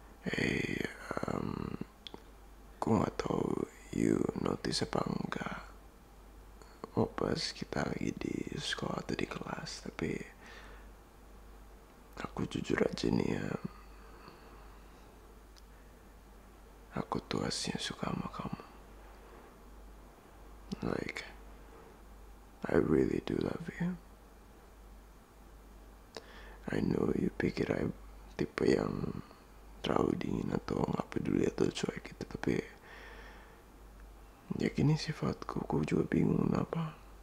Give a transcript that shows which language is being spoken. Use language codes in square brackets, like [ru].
[id] Hey, aku nggak tahu you notice apa enggak. Mau pas kita lagi di sekolah atau di kelas, tapi aku jujur aja nih ya. Aku tuh aslinya suka sama kamu. [en] Like, I really do love you. [id] I know you pikir I tipe yang terlalu dingin atau gak peduli atau cuek gitu, tapi ya gini sifatku, aku juga bingung kenapa.